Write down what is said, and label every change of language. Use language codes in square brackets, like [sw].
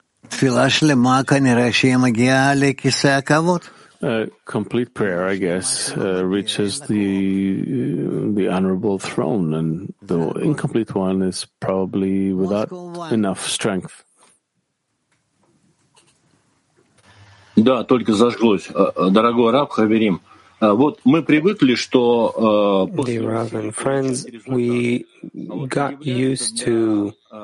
[en] Complete prayer, I guess, reaches the honorable throne, and the incomplete one is probably without enough strength. [ru] Да, только зажглось, дорогой раб Хаверим. Вот мы привыкли, что. [en] Dear Rav and friends, we got used to